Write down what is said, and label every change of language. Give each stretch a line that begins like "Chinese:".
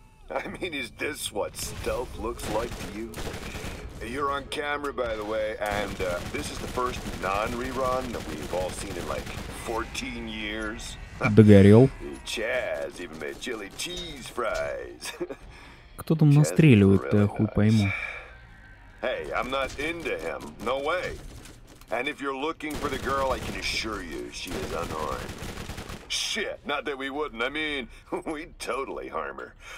English: I mean, is this what stealth looks like to you? You're on camera, by the way, and this is the first non-rerun that we've all seen in like 14 years.
Russian: Догорел.
English: Chaz even made chili cheese fries.
Russian: Кто там настреливает-то, я хуй пойму.
English: Hey, I'm not into him. No way. And if you're looking for the girl, I can assure you she is unharmed. Shit, not that we wouldn't. I mean, we'd totally harm her.